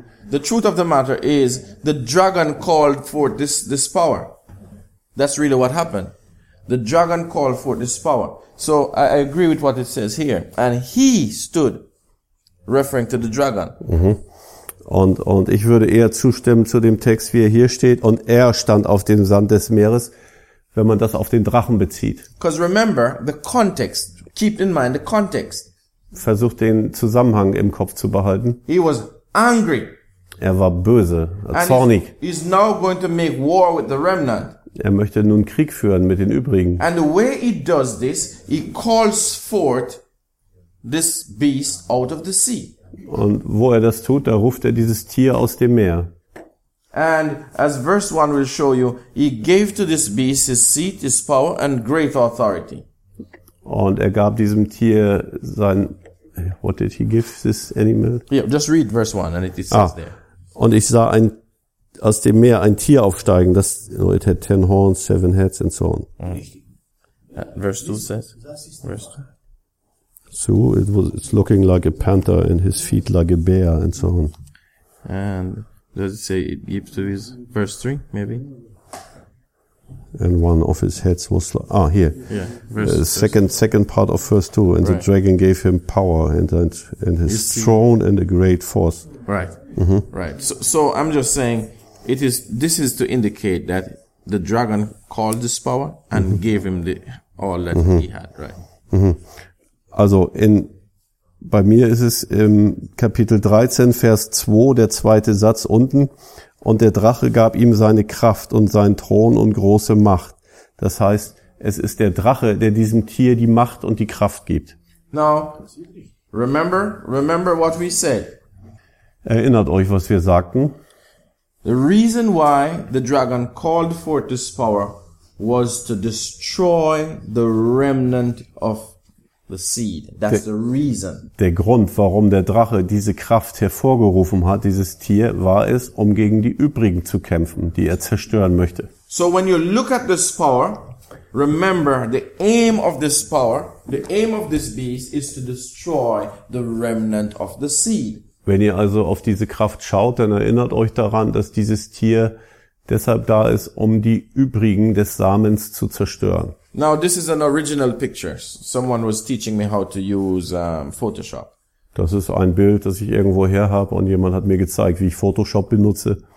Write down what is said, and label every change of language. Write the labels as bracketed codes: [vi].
[en] The truth of the matter is the dragon called for this power. That's really what happened. The dragon called for this power. So I agree with what it says here. And he stood, referring to the dragon. Mm-hmm. [de] Und ich würde eher zustimmen zu dem Text, wie er hier steht. Und er stand auf dem Sand des Meeres, wenn man das auf den Drachen bezieht. [en] Because remember the context. Keep in mind the context. [de] Versucht den Zusammenhang im Kopf zu behalten. [en] He was angry. [de] Er war böse, zornig. [en] He's now going to make war with the remnant. [de] Er möchte nun Krieg führen mit den Übrigen. [en] And the way he does this, he calls forth this beast out of the sea. [de] Und wo er das tut, da ruft er dieses Tier aus dem Meer. [en] And as verse 1 will show you, he gave to this beast his seat, his power and great authority. [de] Und er gab diesem Tier sein, [en] what did he give this animal? Yeah, just read verse 1 and it says there. [de] Und ich sah ein, aus dem Meer ein Tier aufsteigen, das, [en] you know, it had 10 horns, 7 heads and so on. Mm. Verse 2 says, it's looking like a panther and his feet like a bear and so on. And does it say it gives to his, verse 3 maybe? And one of his heads was here. Yeah. Second part of verse 2. And right. The dragon gave him power and his throne and a great force. Right. Mm-hmm. Right. So I'm just saying this is to indicate that the dragon called this power and mm-hmm. gave him all that mm-hmm. he had, right? Mm-hmm. [de] Also bei mir ist es im Kapitel 13, Vers 2, der zweite Satz unten. Und der Drache gab ihm seine Kraft und seinen Thron und große Macht. Das heißt, es ist der Drache, der diesem Tier die Macht und die Kraft gibt. [en] Now, remember what we said. [de] Erinnert euch, was wir sagten. [en] The reason why the dragon called forth this power was to destroy the remnant of the seed. That's the reason. [de] Der Grund, warum der Drache diese Kraft hervorgerufen hat, dieses Tier, war es, um gegen die übrigen zu kämpfen, die er zerstören möchte. [en] So when you look at this power, remember the aim of this power, the aim of this beast is to destroy the remnant of the seed. [de] Wenn ihr also auf diese Kraft schaut, dann erinnert euch daran, dass dieses Tier deshalb da ist, um die übrigen des Samens zu zerstören. [en] Now this is an original picture. Someone was teaching me how to use Photoshop. [de] Das ist ein Bild, das ich irgendwo her habe und jemand hat mir gezeigt, wie ich Photoshop benutze.